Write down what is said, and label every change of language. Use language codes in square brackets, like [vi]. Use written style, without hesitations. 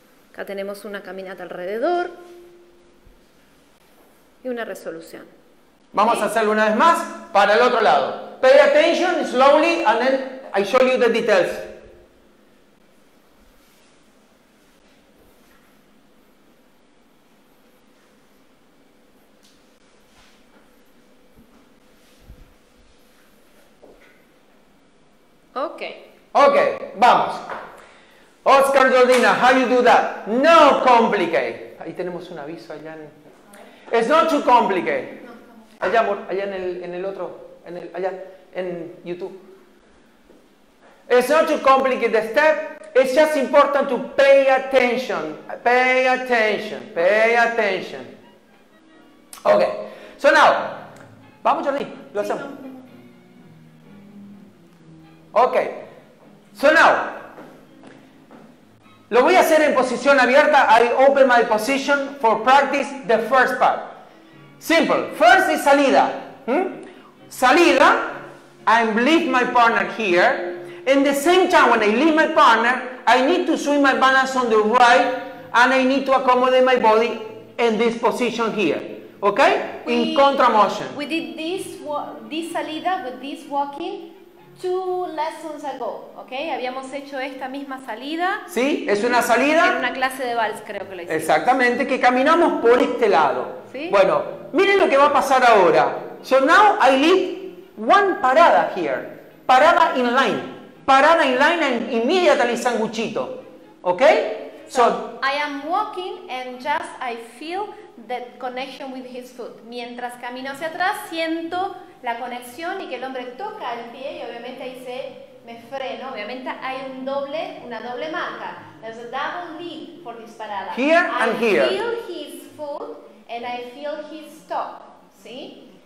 [es] Acá tenemos una caminata alrededor y una resolución. Vamos a hacerlo una vez más para el otro lado. [en] Pay attention slowly and then I show you the details. Okay. Okay, vamos. Oscar Jordina, how you do that? [es] No complicate. Ahí tenemos un aviso allá en... It's not too complicated. Allá, amor, allá en YouTube. [en] It's not too complicated the step. It's just important to pay attention. Pay attention. Pay attention. Okay. [es] So now, vamos, Jordi. Lo hacemos. [en] Okay. [es] So now, lo voy a hacer en posición abierta. [en] I open my position for practice the first part. Simple. First is salida. Salida, I leave my partner here. In the same time, when I leave my partner, I need to swing my balance on the right and I need to accommodate my body in this position here. Okay? In contra motion. We did this salida with this walking 2 lessons ago. [es] Okay? Habíamos hecho esta misma salida. Sí, es una salida. En una clase de vals, creo que lo hicimos. Exactamente, que caminamos por este lado. Sí. [en] Bueno. Miren lo que va a pasar ahora. So now I leave one parada here. Parada in line. Parada in line and immediately sanguchito. Okay? So I am walking and just I feel that connection with his foot. [es] Mientras camino hacia atrás, siento la conexión y que el hombre toca el pie y obviamente ahí se me freno. [en] Obviamente hay una doble marca. There's a double lead for this parada. Here and I here. I feel his foot. And I feel his stop, ¿sí?